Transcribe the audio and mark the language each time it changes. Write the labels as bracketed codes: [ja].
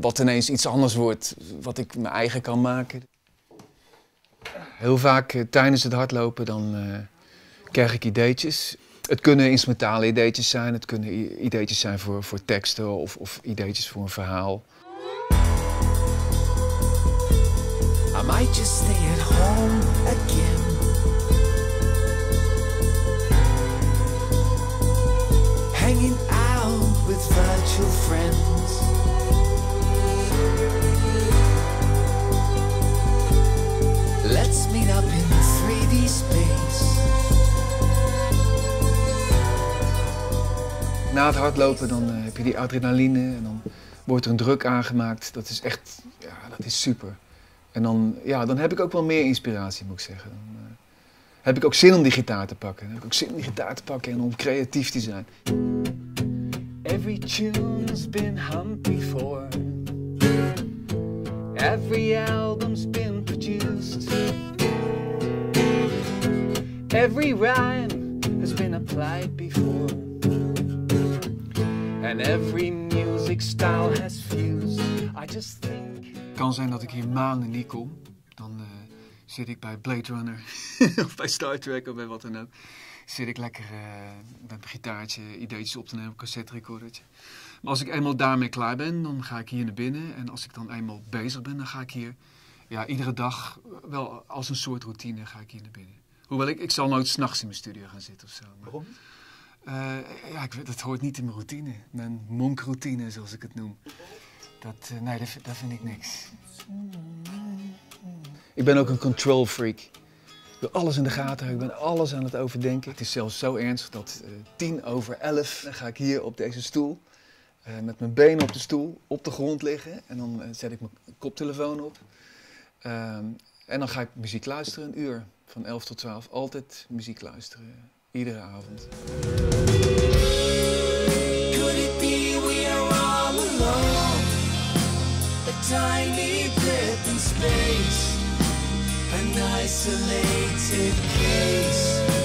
[nl] Wat ineens iets anders wordt, wat ik mijn eigen kan maken. Heel vaak tijdens het hardlopen dan krijg ik ideetjes. Het kunnen instrumentale ideetjes zijn, het kunnen ideetjes zijn voor teksten of ideetjes voor een verhaal. [en] I might just stay at home again. Hanging out with virtual friends. Let's meet up in 3D space. [nl] Na het hardlopen dan heb je die adrenaline en dan wordt er een druk aangemaakt. Dat is echt, dat is super. En dan heb ik ook wel meer inspiratie, moet ik zeggen. Dan heb ik ook zin om die gitaar te pakken. Dan heb ik ook zin om die gitaar te pakken en om creatief te zijn. [en] Every tune's been humped before. Every album's been produced. Every rhyme has been applied before. En every music style has fused. I just think. [nl] Het kan zijn dat ik hier maanden niet kom. Dan zit ik bij Blade Runner of bij Star Trek of bij wat dan ook. Zit ik lekker met mijn gitaartje ideetjes op te nemen, cassette recordertje. Maar als ik eenmaal daarmee klaar ben, dan ga ik hier naar binnen. En als ik dan eenmaal bezig ben, dan ga ik hier iedere dag wel als een soort routine ga ik hier naar binnen. Hoewel ik zal nooit 's nachts in mijn studio gaan zitten of zo. Maar... Waarom? Dat hoort niet in mijn routine. Mijn monkroutine, zoals ik het noem. Dat vind ik niks. Ik ben ook een control freak. Ik wil alles in de gaten houden. Ik ben alles aan het overdenken. Het is zelfs zo ernstig dat 10 over 11 dan ga ik hier op deze stoel met mijn benen op de stoel op de grond liggen. En dan zet ik mijn koptelefoon op. En dan ga ik muziek luisteren een uur. Van 11 tot 12. Altijd muziek luisteren. Iedere avond. [en] Could it be we are all alone? A tiny blip in space. An isolated case.